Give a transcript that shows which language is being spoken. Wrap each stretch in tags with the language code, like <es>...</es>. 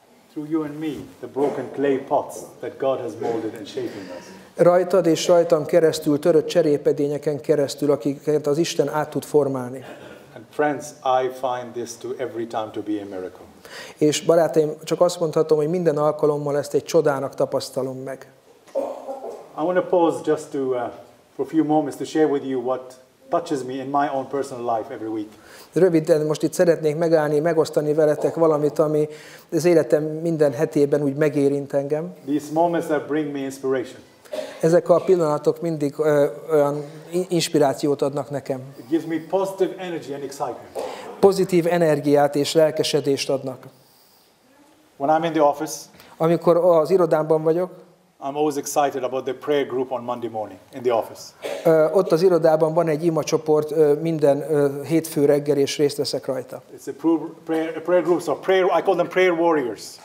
<en>Through you and me, the broken clay pots that God has molded and shaped in us.</en> <hu>Rajtad és rajtam keresztül, törött cserépedényeken keresztül, akiket az Isten át tud formálni.</hu> <en>And friends, I find this to every time to be a miracle.</en> <hu>És barátaim, csak azt mondhatom, hogy minden alkalommal ezt egy csodának tapasztalom meg.</hu> <en>I want to pause just to for a few moments to share with you what touches me in my own personal life every week.</en> <hu>Röviden most itt szeretnék megállni, megosztani veletek valamit, ami az életem minden hetében úgy megérint engem.</hu> <en>These moments that bring me inspiration.</en> <hu>Ezek a pillanatok mindig olyan inspirációt adnak nekem.</hu> <en>It gives me positive energy and excitement.</en> <hu>Pozitív energiát és lelkesedést adnak.</hu> <en>When I'm in the office,</en> <hu>amikor az irodámban vagyok,</hu> <en>I'm always excited about the prayer group on Monday morning in the office.</en> <hu>Ott az irodában van egy ima csoport minden hétfő reggel és részt veszek rajta.</hu> <en>It's a prayer group, so prayer, I call them prayer warriors.</en>